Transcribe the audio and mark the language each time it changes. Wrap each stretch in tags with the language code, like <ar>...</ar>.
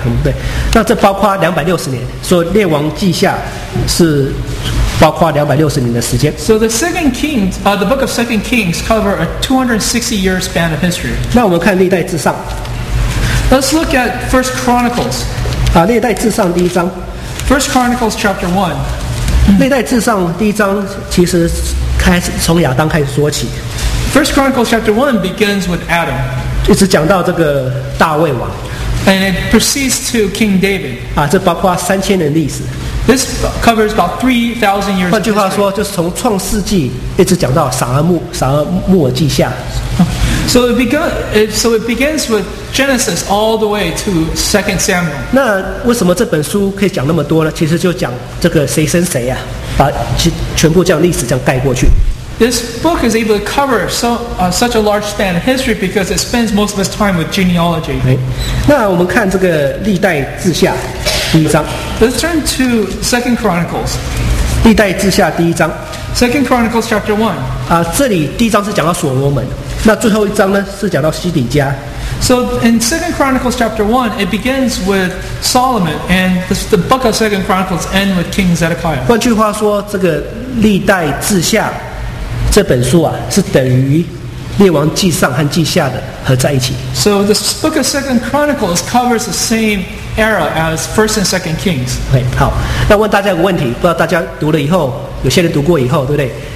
<zh>对，那这包括260年，所以列王记下是包括260年的时间。</zh> <en>So the second kings, the book of Second Kings cover a 260-year span of history.</en> <zh>那我们看历代志上。</zh> <en>Let's look at First Chronicles.</en> <zh>历代志上第一章。</zh> <en>First Chronicles chapter 1.</en> <zh>历代志上第一章其实开始从亚当开始说起。</zh> <en>First Chronicles chapter 1 begins with Adam.</en> <zh>一直讲到这个大卫王。</zh> <en>And it proceeds to King David.</en> <zh>这包括3000年历史。</zh> <en>This covers about 3,000 years.</en> <zh>换句话说，就是从创世纪一直讲到撒尔穆尔记下。</zh> <en>So it begins with Genesis all the way to 2 Samuel.</en> <zh>那为什么这本书可以讲那么多呢？其实就讲这个谁生谁啊，把全部这样历史这样盖过去。</zh> <en>This book is able to cover such a large span of history because it spends most of its time with genealogy.</en> <zh>那我们看这个历代志下第一章。</zh> <en>Let's turn to 2 Chronicles.</en> <zh>历代志下第一章。</zh> <en>Second Chronicles chapter 1.</en> <zh>这里第一章是讲到所罗门，那最后一章呢是讲到西底家。</zh> <en>So in 2 Chronicles chapter 1, it begins with Solomon, and the book of 2 Chronicles ends with King Zedekiah.</en> <zh>换句话说，这个历代志下这本书啊，是等于列王记上和记下的合在一起。</zh> <en>So the book of 2 Chronicles covers the same era as 1 and 2 Kings.</en> <zh>Okay, 好，那问大家一个问题，不知道大家读了以后，有些人读过以后，对不对？</zh>